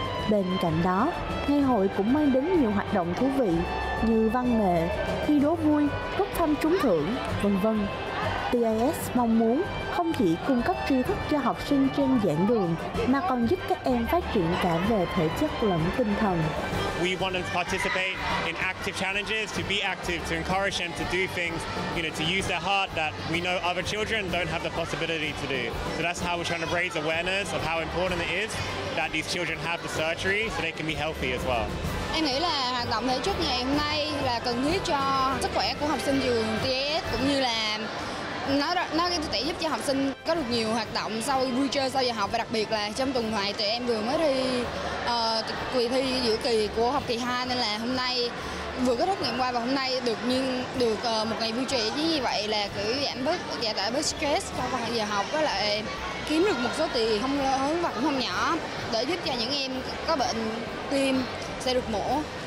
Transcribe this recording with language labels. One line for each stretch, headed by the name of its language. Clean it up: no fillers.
Vietnamese: Bên cạnh đó, ngày hội cũng mang đến nhiều hoạt động thú vị như văn nghệ, thi đố vui, bốc thăm trúng thưởng, v.v. TIS mong muốn không chỉ cung cấp tri thức cho học sinh trên giảng đường mà còn giúp các em phát triển cả về thể chất lẫn tinh thần.
English: We want them to participate in active challenges, to be active, to encourage them to do things, you know, to use their heart that we know other children don't have the possibility to do. So that's how we're trying to raise awareness of how important it is that these children have the surgery so they can be healthy as well.
Vietnamese: Em nghĩ là hoạt động thể chất ngày hôm nay là cần thiết cho sức khỏe của học sinh trường TIS cũng như là nó sẽ giúp cho học sinh có được nhiều hoạt động sau vui chơi sau giờ học, và đặc biệt là trong tuần này tụi em vừa mới đi kỳ thi giữa kỳ của học kỳ 2, nên là hôm nay vừa có trách nhiệm qua và hôm nay được một ngày vui chơi như vậy là cứ giảm bớt stress sau giờ học, với lại kiếm được một số tiền không lớn và cũng không nhỏ để giúp cho những em có bệnh tim sẽ được mổ.